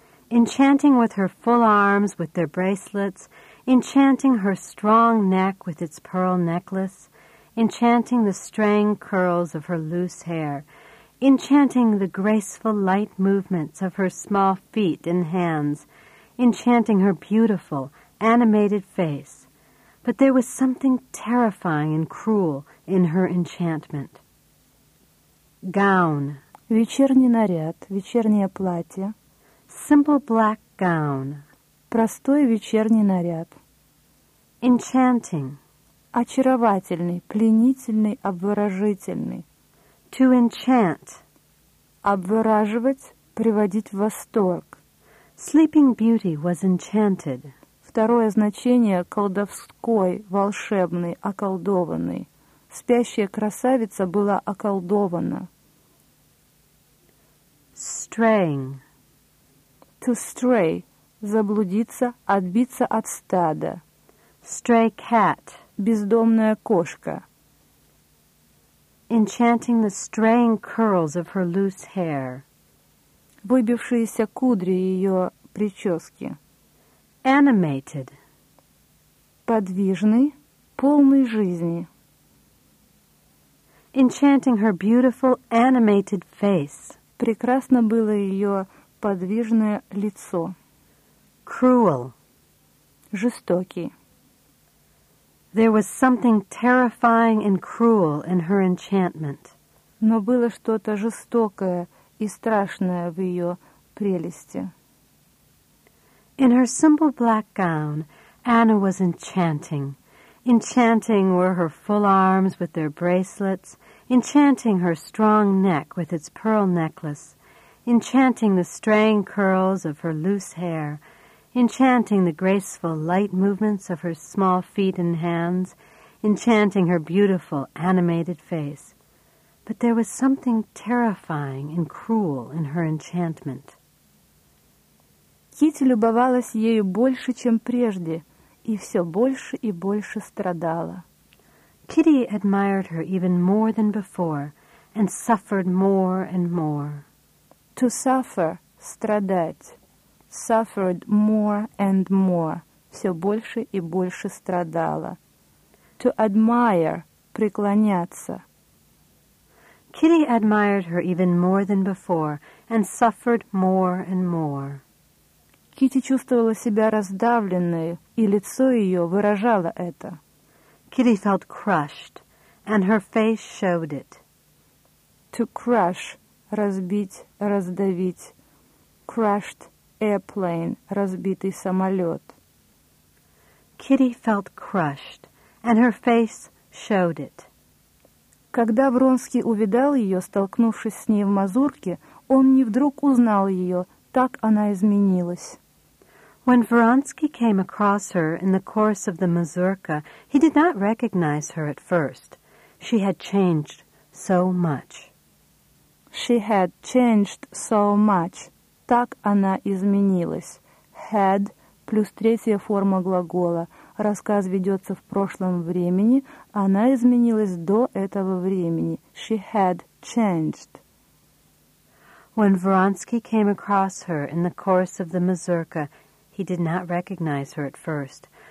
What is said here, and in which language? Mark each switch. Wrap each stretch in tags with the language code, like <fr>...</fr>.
<en>Enchanting with her full arms, with their bracelets, enchanting her strong neck with its pearl necklace, enchanting the straying curls of her loose hair, enchanting the graceful light movements of her small feet and hands, enchanting her beautiful, animated face. But there was something terrifying and cruel in her enchantment. Gown.</en> <ru>Вечерний наряд, вечернее платье.</ru> <en>Simple black gown.</en> <ru>Простой вечерний наряд.</ru> <en>Enchanting.</en> <ru>Очаровательный, пленительный, обворожительный.</ru> <en>To enchant.</en> <ru>Обвораживать, приводить в восторг.</ru> <en>Sleeping Beauty was enchanted.</en> <ru>Второе значение – колдовской, волшебный, околдованный. Спящая красавица была околдована.</ru> <en>Straying. To stray</en> <ru>– заблудиться, отбиться от стада.</ru> <en>Stray cat</en> <ru>– бездомная кошка.</ru> <en>Enchanting the straying curls of her loose hair.</en> <ru>Выбившиеся кудри ее прически.</ru> <en>Animated.</en> <ru>Подвижный, полный жизни.</ru> <en>Enchanting her beautiful animated face.</en> <ru>Прекрасно было ее подвижное лицо.</ru> <en>Cruel.</en> <ru>Жестокий.</ru> <en>There was something terrifying and cruel in her enchantment.</en> <ru>Но было что-то жестокое и страшное в ее прелести.</ru> <en>In her simple black gown, Anna was enchanting. Enchanting were her full arms with their bracelets, enchanting her strong neck with its pearl necklace, enchanting the straying curls of her loose hair, enchanting the graceful light movements of her small feet and hands, enchanting her beautiful animated face. But there was something terrifying and cruel in her enchantment.</en> <ru>Кити любовалась ею больше, чем прежде, и все больше и больше страдала.</ru> <en>Kitty admired her even more than before, and suffered more and more. To suffer –</en> <ru>страдать.</ru> <en>Suffered more and more –</en> <ru>все больше и больше страдала.</ru> <en>To admire –</en> <ru>преклоняться.</ru> <en>Kitty admired her even more than before, and suffered more and more.</en> <ru>Кити чувствовала себя раздавленной, и лицо ее выражало это.</ru> <en>Kitty felt crushed, and her face showed it. To crush –</en> <ru>разбить, раздавить.</ru> <en>Crushed airplane –</en> <ru>разбитый самолет.</ru> <en>Kitty felt crushed, and her face showed it.</en> <ru>Когда Вронский увидал ее, столкнувшись с ней в мазурке, он не вдруг узнал ее, так она изменилась.</ru> <en>When Vronsky came across her in the course of the mazurka, he did not recognize her at first. She had changed so much. She had changed so much.</en> <ru>Так она изменилась. Had плюс третья форма глагола. Рассказ ведется в прошлом времени. Она изменилась до этого времени.</ru> <en>She had changed. When Vronsky came across her in the course of the mazurka, he did not recognize her at first.</en>